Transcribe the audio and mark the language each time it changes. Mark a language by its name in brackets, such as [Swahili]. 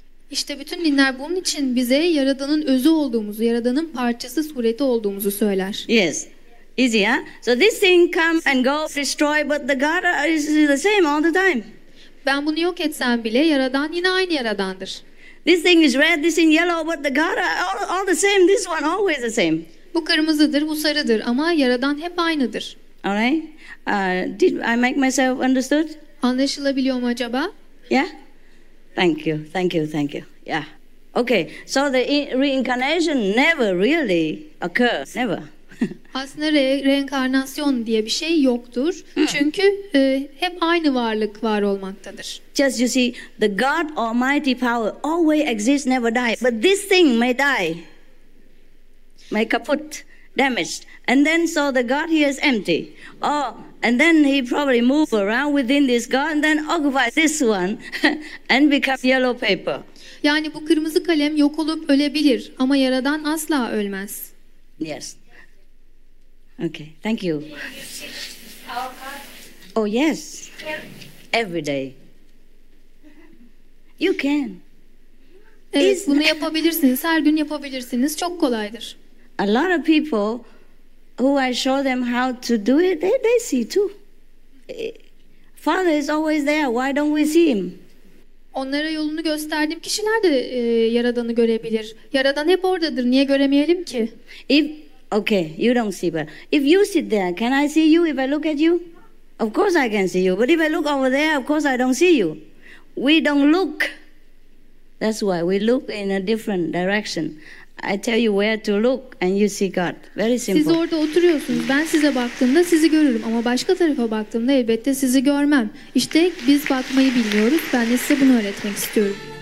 [Turkish] İşte bütün dinler bunun için bize yaradanın özü olduğumuzu, yaradanın parçası, sureti olduğumuzu söyler. [English] Yes. Easy, huh? So this thing come and go, destroy, but the God is the same all the time. [Turkish] Ben bunu yok etsem bile yaradan yine aynı yaradandır. [English] This thing is red, this thing yellow, but the God all the same, this one always the same. [Turkish] Bu kırmızıdır, bu sarıdır ama yaradan hep aynıdır. [English] All right. Did I make myself understood? [Turkish] Anlaşılabiliyor mu acaba? [English] Yeah. Thank you. Thank you. Thank you. Yeah. Okay. So the reincarnation never really occurs. Never. [Turkish] Aslında reenkarnasyon diye bir şey yoktur. Çünkü hep aynı varlık var olmaktadır. [English] Just you see, the God Almighty power always exists, never dies. But this thing may die, may kaput, damaged. And then so the God here is empty. Oh, and then he probably move around within this God and then occupy this one and become yellow paper. [Turkish] Yani bu kırmızı kalem yok olup ölebilir ama yaradan asla ölmez. [English] Yes. Okay, thank you. Oh yes, every day. You can. [Turkish] Evet, bunu yapabilirsiniz. Her gün yapabilirsiniz. Çok kolaydır. [English] A lot of people who I show them how to do it, they see too. Father is always there. Why don't we see him? [Turkish] Onlara yolunu gösterdiğim kişiler de Yaradan'ı görebilir. Yaradan hep oradadır. Niye göremeyelim ki? [English] Okay, you don't see, but if you sit there, can I see you if I look at you? Of course I can see you, but if I look over there, of course I don't see you. We don't look. That's why we look in a different direction. I tell you where to look and you see God. Very simple. [Turkish] Siz orada oturuyorsunuz. Ben size baktığımda sizi görürüm ama başka tarafa baktığımda elbette sizi görmem. İşte biz bakmayı bilmiyoruz. Ben de size bunu öğretmek istiyorum.